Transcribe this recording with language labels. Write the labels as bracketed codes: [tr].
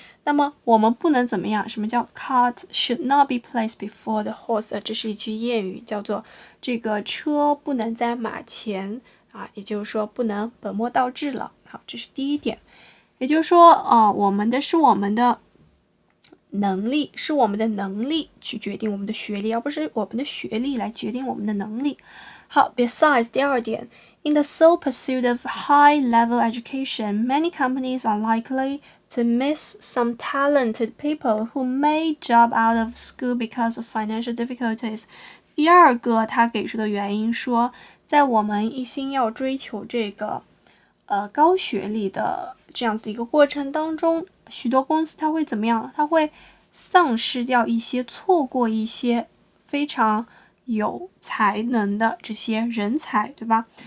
[zh] 那么我们不能怎么样，什么叫 [en] cart should not be placed before the horse， [zh] 这是一句谚语，叫做这个车不能在马前也就是说不能本末倒置了。好，这是第一点，也就是说我们的能力去决定我们的学历，而不是我们的学历来决定我们的能力。 [en] 好， besides， 第二点，In the sole pursuit of high-level education, many companies are likely to miss some talented people who may drop out of school because of financial difficulties. [zh] 第二个他给出的原因说，在我们一心要追求这个高学历的这样子一个过程当中，许多公司他会怎么样？他会丧失掉一些，错过一些非常有才能的这些人才，对吧？